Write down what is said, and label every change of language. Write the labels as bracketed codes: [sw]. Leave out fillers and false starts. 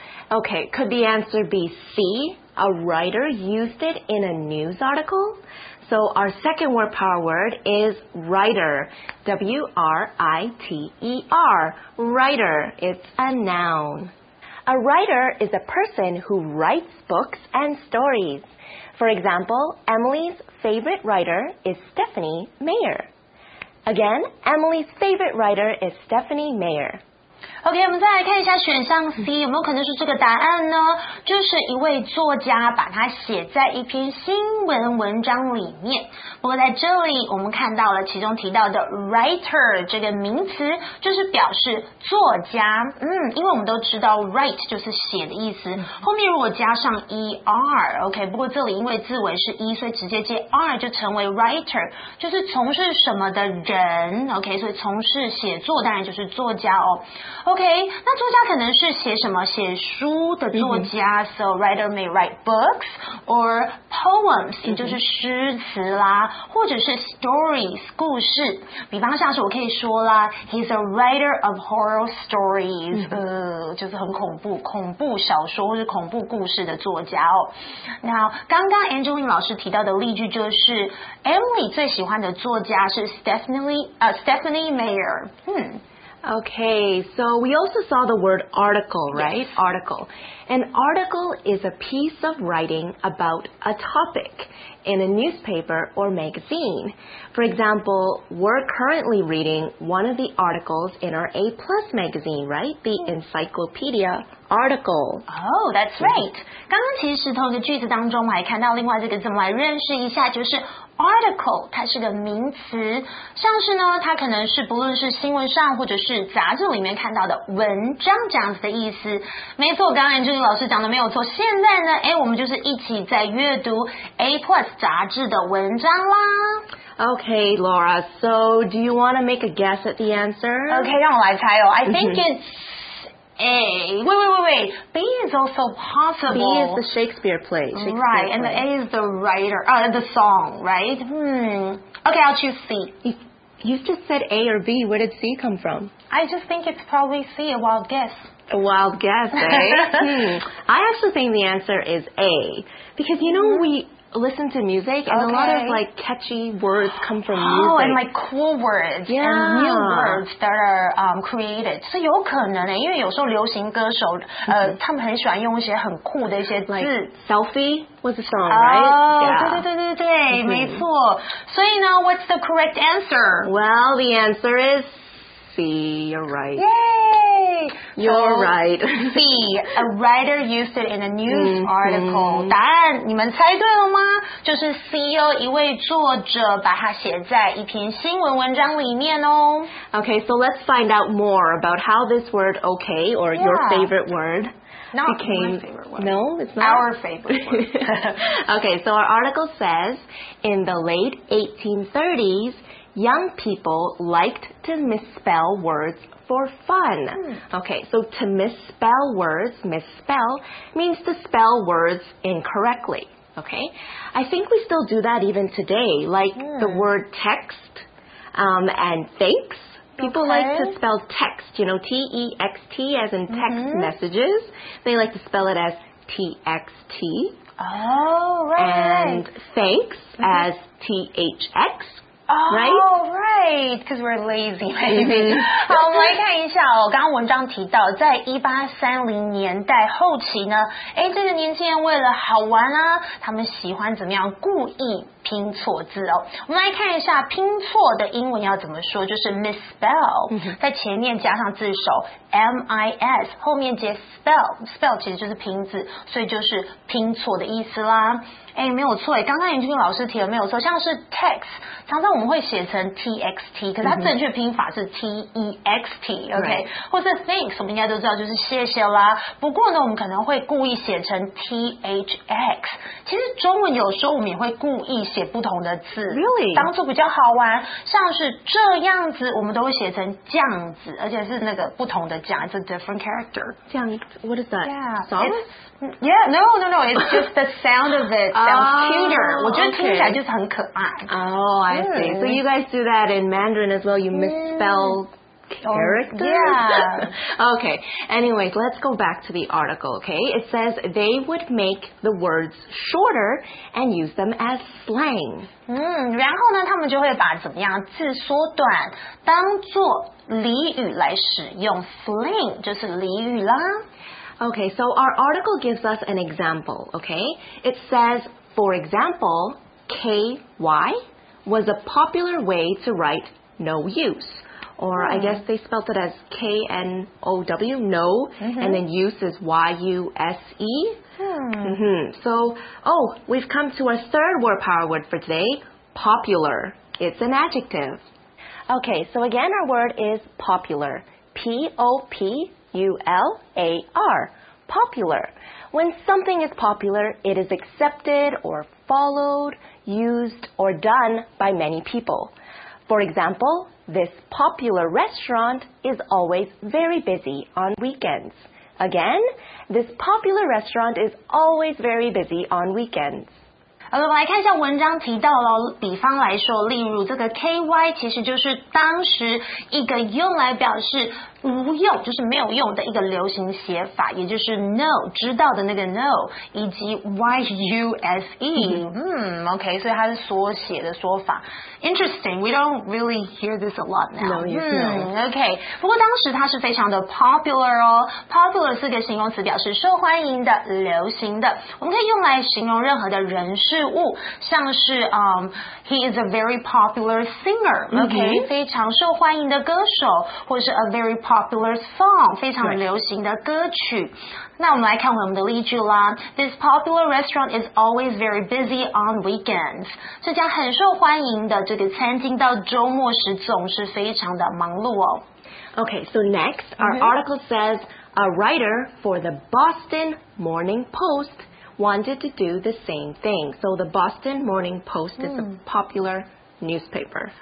[en] Okay, could the answer be C A writer used it in a news article So our second word power word is writer W-R-I-T-E-R Writer, it's a noun. A writer is a person who writes books and stories. For example, Emily's favorite writer is Stephanie Meyer. Again, Emily's favorite writer is Stephanie Meyer. [zh] OK, 我们再来看一下选项 C, 有没有可能是这个答案呢？就是一位作家把它写在一篇新闻文章里面。不过在这里我们看到了其中提到的 writer 这个名词就是表示作家因为我们都知道 write 就是写的意思后面如果加上 er OK 不过这里因为字尾是 e 所以直接接 r 就成为 writer 就是从事什么的人 OK 所以从事写作当然就是作家哦 OK 那作家可能是写什么写书的作家 [en] So writer may write books or poems [zh] 也就是诗词啦或者是 stories 故事比方像是我可以说啦 [en] He's a writer of horror stories [zh] 就是很恐怖恐怖小说或是恐怖故事的作家哦那刚刚 Angeline 老师提到的例句就是 Emily 最喜欢的作家是 Stephanie Meyer [en] Okay, so we also saw the word article, right? Yes. Article. An article is a piece of writing about a topic in a newspaper or magazine. For example, we're currently reading one of the articles in our A+ magazine, right? The encyclopedia article. Oh, that's right. [zh] 刚刚其实从一个句子当中我还看到另外这个怎么来认识一下就是Article 它是个名词像是呢它可能是不论是新闻上或者是杂志里面看到的文章这样子的意思没错刚刚 Angeline 老师讲的没有错现在呢我们就是一起在阅读 A Plus 杂志的文章啦 [en] OK Laura So do you want to make a guess at the answer? OK [zh] 让我来猜哦 [en] I think it'sA. Wait. B is also possible. B is the Shakespeare play. Shakespeare right, and the A is the writer, the song, right? Okay, I'll choose C. You just said A or B. Where did C come from? I just think it's probably C, a wild guess. A wild guess, eh? I actually think the answer is A. Because, you know, we... listen to music and okay. a lot of like catchy words come from music oh and like cool words yeah. and new words that are created [zh] 是有可能的因为有时候流行歌手他们很喜欢用一些很酷的一些字、 [en] like、selfie was a song、 right yeah. [zh] 对、 [en] mm-hmm. [zh] 没错所以呢 [en] what's the correct answer well the answer is C you're right yay You're right. B, a writer used it in a news article. [zh] 答案你们猜对了吗？就是 C 哦，一位作者把它写在一篇新闻文章里面哦。 [en] Okay, so let's find out more about how this word okay or your favorite word. Not became, my favorite word. No, it's not. Our favorite word. Okay, so our article says, in the late 1830s,Young people liked to misspell words for fun. Okay, so to misspell words, misspell, means to spell words incorrectly. Okay, I think we still do that even today, like the word text and thanks. People like to spell text, you know, T-E-X-T as in text messages. They like to spell it as T-X-T. Oh, right. And thanks as T-H-X. Oh, right, because we're lazy, maybe. [zh] 好，我们来看一下哦，刚刚文章提到，在1830年代后期呢，诶，这个年轻人为了好玩啊，他们喜欢怎么样故意拼错字哦。我们来看一下拼错的英文要怎么说，就是 misspell, 在前面加上字首 M-I-S, 后面接 spell, spell 其实就是拼字，所以就是拼错的意思啦。哎，没有错哎，刚刚严俊老师提了没有错，像是 text 常常我们会写成 txt, 可是它正确拼法是 text, OK,、right. 或是 thanks 我们应该都知道就是谢谢啦，不过呢我们可能会故意写成 thx, 其实中文有时候我们也会故意写不同的字、 [en] really? [zh] 当初比较好玩，像是这样子我们都会写成这样子，而且是那个不同的讲 [en] it's a different character, [zh] 这样 [en] what is that? Yeah, solid Yeah, no, no, no, it's just the sound of it sounds cuter. [zh] 我觉得听起来就是很可爱。 [en] Oh, I see. So you guys do that in Mandarin as well, you misspell characters? Yeah. Okay, anyway, let's go back to the article, okay? It says they would make the words shorter and use them as slang. [zh] 然后呢，他们就会把怎么样字缩短当作俚语来使用 slang 就是俚语啦。 [en] Okay, so our article gives us an example, okay? It says, for example, KY was a popular way to write no use. Or I guess they spelt it as K-N-O-W, no, and then use is Y-U-S-E. So, oh, we've come to our third word power word for today, popular. It's an adjective. Okay, so again, our word is popular. P-O-P-U-L-A-R. Popular. When something is popular, it is accepted or followed, used or done by many people. For example, this popular restaurant is always very busy on weekends. Again, this popular restaurant is always very busy on weekends. [zh] 好了，我们来看一下文章提到了，比方来说，例如这个 KY 其实就是当时一个用来表示无用，就是没有用的一个流行写法，也就是 no, 知道的那个 no, 以及 Y-U-S-E, OK, 所以它是缩写的说法。 [en] Interesting, we don't really hear this a lot now. No, you don't. [zh] OK, 不过当时它是非常的 popular 哦。Popular 是个形容词，表示受欢迎的、流行的。我们可以用来形容任何的人事物，像是 [en] he is a very popular singer, [zh] OK,、非常受欢迎的歌手，或是 [en] a very popular song, [zh] 非常流行的歌曲。那我们来看我们的例句啦。 [en] This popular restaurant is always very busy on weekends. [zh] 这家很受欢迎的这个餐厅到周末时总是非常的忙碌哦。 [en] Okay, so next, our article says, a writer for the Boston Morning Post wanted to do the same thing. So the Boston Morning Post is a popular newspaper.